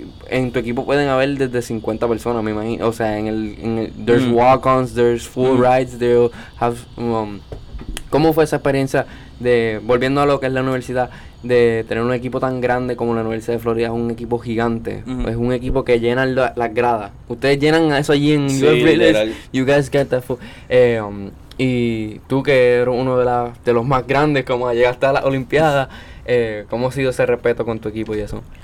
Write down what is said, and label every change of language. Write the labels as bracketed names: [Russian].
[Spanish] En tu equipo pueden haber desde 50 personas, me imagino. [English] There's walk-ons, there's full rides, they have. [Spanish] ¿Cómo fue esa experiencia de, volviendo a lo que es la universidad, de tener un equipo tan grande como la Universidad de Florida? Es un equipo gigante, es un equipo que llena las gradas. Ustedes llenan eso allí en [English] your village. You guys get that full. [Spanish] Y tú, que eres uno de los más grandes, como llegaste a la Olimpiada, ¿cómo ha sido ese respeto con tu equipo y eso?